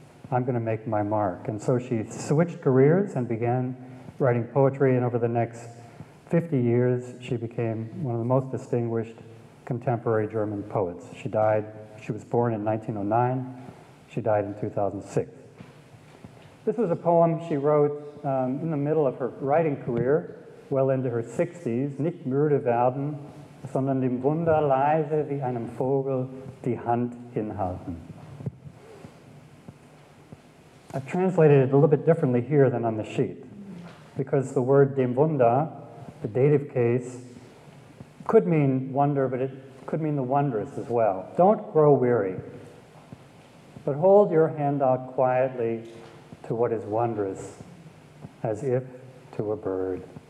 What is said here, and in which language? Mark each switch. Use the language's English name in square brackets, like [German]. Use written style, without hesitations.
[English] I'm going to make my mark. And so she switched careers and began writing poetry, and over the next 50 years, she became one of the most distinguished contemporary German poets. She died She was born in 1909. She died in 2006. This was a poem she wrote in the middle of her writing career, well into her 60s. [German] Nicht müde werden, sondern dem Wunder leise wie einem Vogel die Hand hinhalten. [English] I've translated it a little bit differently here than on the sheet, because the word [German] dem Wunder, [English] the dative case, could mean wonder, but it could mean the wondrous as well. Don't grow weary, but hold your hand out quietly to what is wondrous, as if to a bird.